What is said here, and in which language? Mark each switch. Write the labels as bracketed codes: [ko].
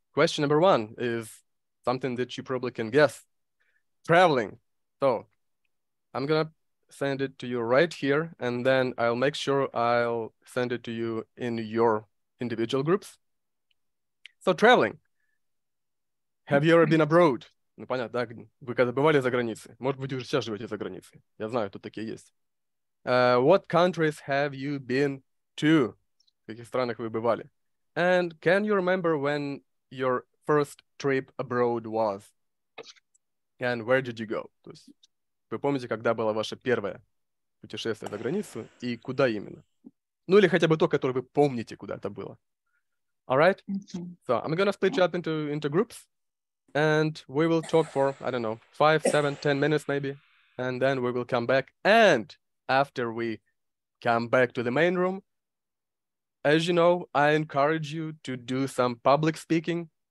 [en] Question number one is something that you probably can guess. Traveling. So I'm going to send it to you right here, and then I'll make sure I'll send it to you in your individual groups. So traveling. Have you ever been abroad? [ru] Ну, понятно, да? Вы когда бывали за границей? Может быть, вы уже сейчас живете за границей. Я знаю, тут такие есть. [en] What countries have you been to? [ru] В каких странах вы бывали? [en] And can you remember when your first trip abroad was? And where did you go? [ru] То есть, Вы помните, когда было ваше первое путешествие за границу и куда именно? Ну или хотя бы то, которое вы помните, куда это было. [en] All right? So I'm going to split you up into groups. And we will talk for, I don't know, 5, 7, 10 minutes maybe. And then we will come back. And after we come back to the main room, as you know, I encourage you to do some public speaking.